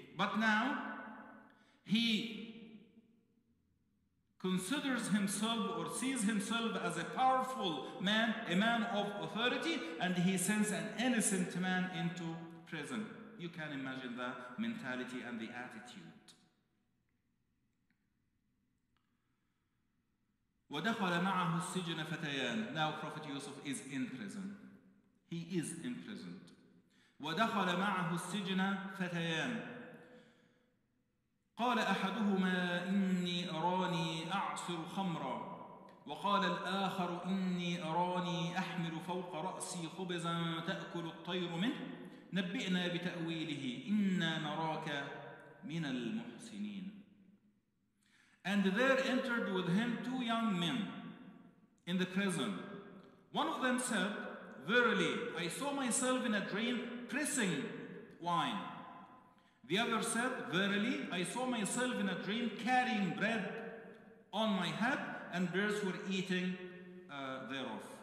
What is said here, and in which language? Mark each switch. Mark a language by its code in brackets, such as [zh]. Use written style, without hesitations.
[en] But now, he considers himself or sees himself as a powerful man, a man of authority, and he sends an innocent man into prison. You can imagine the mentality and the attitude. [ar] وَدَخَلَ مَعَهُ السِّجْنَ فَتَيَانِ. [en] Now Prophet Yusuf is in prison. He is imprisoned. [ar] ودخل معه السجن فتيان قال أحدهما إني أراني أعصر خمرا وقال الآخر إني أراني أحمل فوق رأسي خبزا تأكل الطير منه نبئنا بتأويله إنا نراك من المحسنين. [en] And there entered with him two young men in the prison. One of them said, verily, I saw myself in a dream pressing wine. The other said, verily, I saw myself in a dream carrying bread on my head, and birds were eating thereof.